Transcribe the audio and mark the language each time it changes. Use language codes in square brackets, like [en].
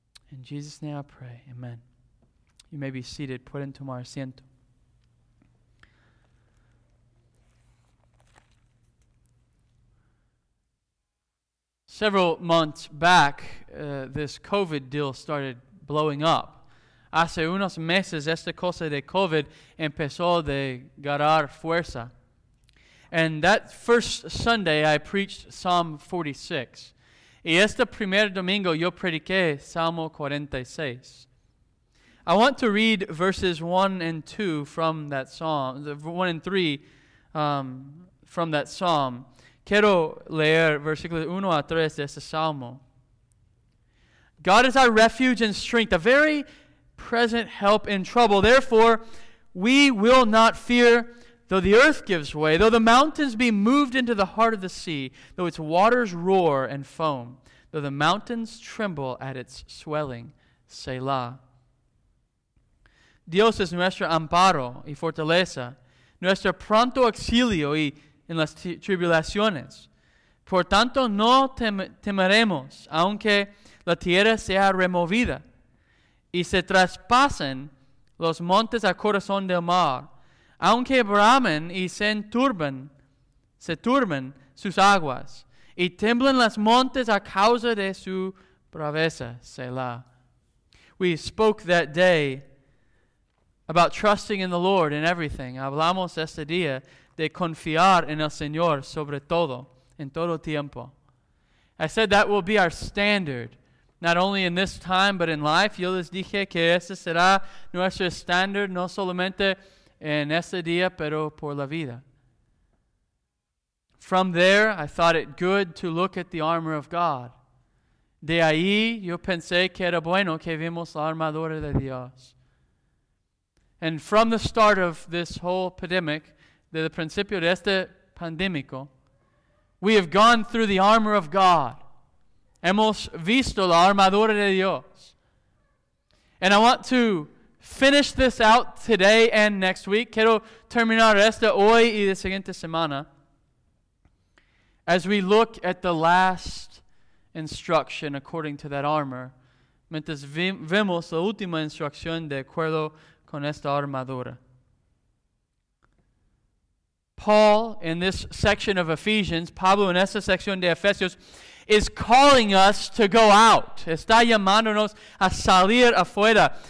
[en] In Jesus' name I pray, amen. You may be seated. [es] Pueden tomar asiento. [en] Several months back, this COVID deal started blowing up. [es] Hace unos meses, esta cosa de COVID empezó de agarrar fuerza. [en] And that first Sunday, I preached Psalm 46. [es] Y este primer domingo, yo prediqué Salmo 46. [en] I want to read verses 1 and 2 from that psalm, 1 and 3 from that psalm. [es] Quiero leer versículos 1 a 3 de este salmo. [en] God is our refuge and strength, a very present help in trouble. Therefore, we will not fear. Though the earth gives way, though the mountains be moved into the heart of the sea, though its waters roar and foam, though the mountains tremble at its swelling, Selah. [es] Dios es nuestro amparo y fortaleza, nuestro pronto auxilio y en las tribulaciones. Por tanto, no temeremos, aunque la tierra sea removida, y se traspasen los montes al corazón del mar, aunque bramen y se turben sus aguas, y tiemblen las montes a causa de su braveza, Selah. [en] We spoke that day about trusting in the Lord in everything. [es] Hablamos este día de confiar en el Señor sobre todo, en todo tiempo. [en] I said that will be our standard, not only in this time, but in life. [es] Yo les dije que ese será nuestro standard, no solamente en ese día, pero por la vida. [en] From there, I thought it good to look at the armor of God. [es] De ahí, yo pensé que era bueno que vimos la armadura de Dios. [en] And from the start of this whole pandemic, [es] de el principio de este pandémico, [en] we have gone through the armor of God. [es] Hemos visto la armadura de Dios. [en] And I want to finish this out today and next week. [es] Quiero terminar esto hoy y la siguiente semana. [en] As we look at the last instruction according to that armor. [es] Mientras vemos la última instrucción de acuerdo con esta armadura. [en] Paul, in this section of Ephesians, [es] Pablo, en esta sección de Efesios, [en] is calling us to go out. [es] Está llamándonos a salir afuera.